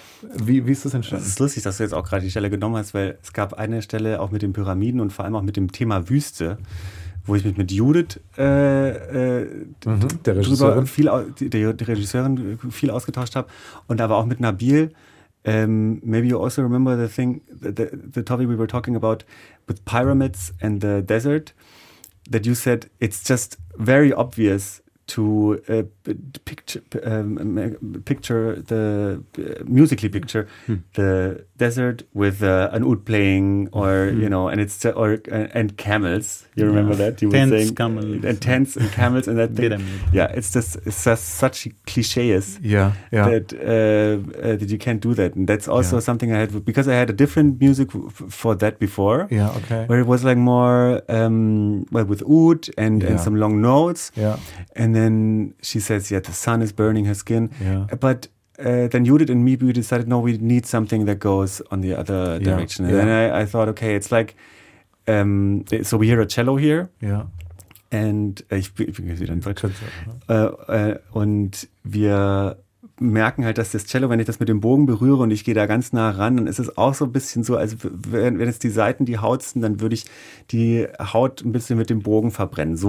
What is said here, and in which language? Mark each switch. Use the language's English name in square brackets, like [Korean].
[German] Wie ist das entstanden? Es ist lustig, dass du jetzt auch gerade die Stelle genommen hast, weil es gab eine Stelle auch mit den Pyramiden und vor allem auch mit dem Thema Wüste, wo ich mich mit Judith der Regisseurin viel ausgetauscht habe und aber auch mit Nabil. [English] Maybe you also remember the thing, the topic we were talking about with pyramids and the desert, that you said it's just very obvious to musically picture the desert with an oud playing or and camels, you remember that you were tents, saying camels. And tents and camels and that thing. it's just such cliches that you can't do that, and that's also something I had because I had a different music for that before where it was like more with oud and some long notes and then she says, the sun is burning her skin. Yeah. But then Judith and me, we decided, no, we need something that goes on the other direction. Yeah. And then I thought, okay, it's like, so we hear a cello here. Yeah. And [German] wir merken halt, dass das Cello, wenn ich das mit dem Bogen berühre und ich gehe da ganz nah ran, dann ist es auch so ein bisschen so, als wenn es die Saiten, die Haut sind, dann würde ich die Haut ein bisschen mit dem Bogen verbrennen.